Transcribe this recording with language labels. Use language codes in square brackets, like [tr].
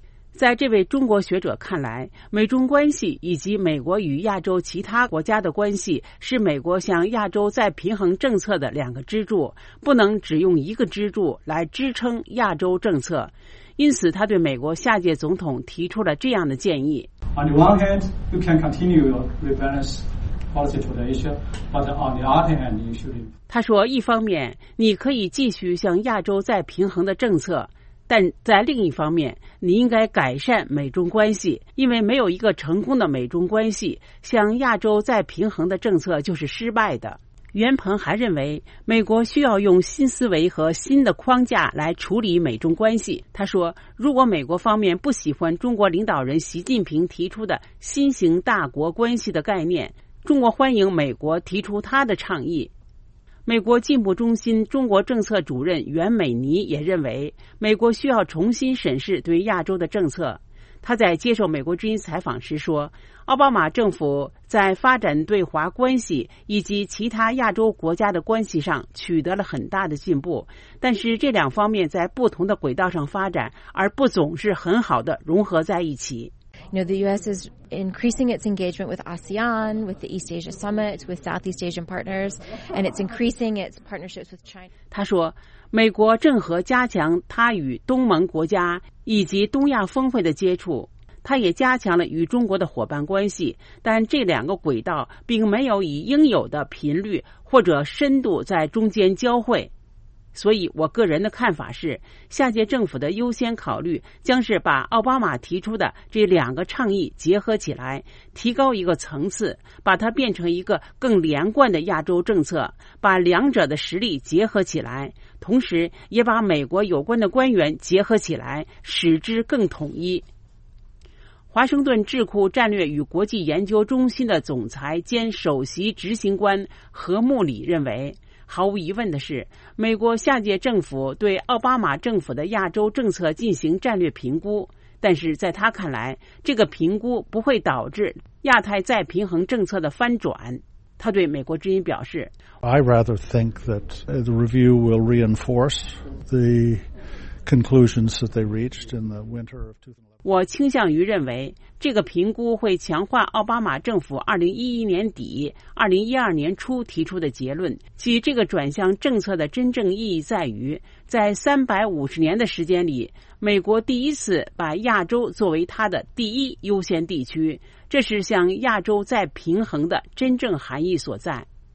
[zh] 在这位中国学者看来，美中关系以及美国与亚洲其他国家的关系是美国向亚洲再平衡政策的两个支柱，不能只用一个支柱来支撑亚洲政策。因此他对美国下届总统提出了这样的建议。 [en] On the one hand, you can continue your rebalance policy to the Asia, but on the other hand, you should... [zh] 他说，一方面你可以继续向亚洲再平衡的政策，但在另一方面你应该改善美中关系，因为没有一个成功的美中关系，向亚洲再平衡的政策就是失败的。袁鹏还认为，美国需要用新思维和新的框架来处理美中关系。他说，如果美国方面不喜欢中国领导人习近平提出的新型大国关系的概念，中国欢迎美国提出他的倡议。美国进步中心中国政策主任袁美妮也认为，美国需要重新审视对亚洲的政策。他在接受美国之音采访时说，奥巴马政府在发展对华关系以及其他亚洲国家的关系上取得了很大的进步，但是这两方面在不同的轨道上发展，而不总是很好的融合在一起。 [en] You know, the U.S. is increasing its engagement with ASEAN, with the East Asia Summit, with Southeast Asian partners, and it's increasing its partnerships with China. [zh] 他说，美国正和加强他与东盟国家以及东亚峰会的接触，他也加强了与中国的伙伴关系，但这两个轨道并没有以应有的频率或者深度在中间交汇。所以我个人的看法是，下届政府的优先考虑将是把奥巴马提出的这两个倡议结合起来，提高一个层次，把它变成一个更连贯的亚洲政策，把两者的实力结合起来，同时也把美国有关的官员结合起来，使之更统一。华盛顿智库战略与国际研究中心的总裁兼首席执行官何穆里认为，毫无疑问的是，美国下届政府对奥巴马政府的亚洲政策进行战略评估，但是在他看来，这个评估不会导致亚太再平衡政策的翻转。他对美国之音表示， [en] I rather think that the review will reinforce the conclusions that they reached in the winter of 2011. [zh] 我倾向于认为，这个评估会强化奥巴马政府2011年底、2012年初提出的结论，即这个转向政策的真正意义在于，在350年的时间里，美国第一次把亚洲作为它的第一优先地区，这是向亚洲再平衡的真正含义所在。